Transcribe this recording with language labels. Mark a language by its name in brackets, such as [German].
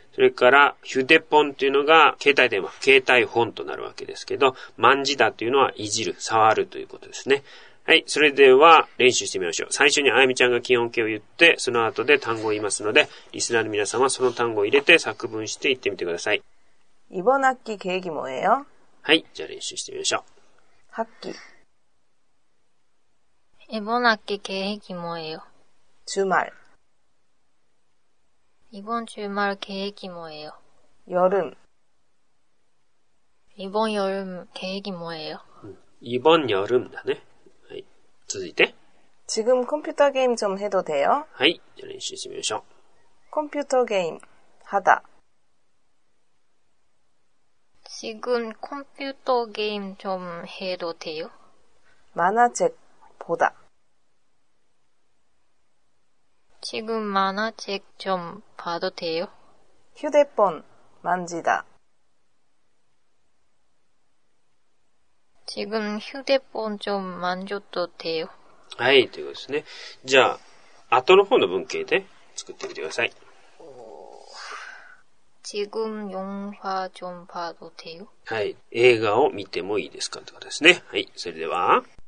[Japanese] それから、ヒュデポンというのが、携帯電話、携帯本となるわけですけど、マンジダというのは、いじる、触るということですね。はい、それでは、練習してみましょう。最初にあやみちゃんが基本形を言って、その後で単語を言いますので、リスナーの皆さんはその単語を入れて、作文して言ってみてください。 [Korean] 이번학기계획이뭐예요? [Japanese] はい、じゃあ練習してみましょう。 [Korean] 학기。 이번학기계획이뭐예요? 주말。 이번주말계획이뭐예요? 여름 이번여름계획이뭐예요? 이번여름 [Japanese] だね。はい、続いて [Korean] 지금컴퓨터게임좀해도돼요? [Japanese] はい、じゃあ練習してみましょう。 [Korean] 컴퓨터게임하다 지금컴퓨터게임좀해도돼요? 만화책보다 지금만화책좀봐도돼요? 휴대폰만지다 지금휴대폰좀만져도돼요? [Japanese] はい、ということですね。じゃあ、後の方の文型で作ってみてください。 [Korean] 지금영화좀봐도돼요? [Japanese] はい、映画を見てもいいですかってことですね。はい、それでは。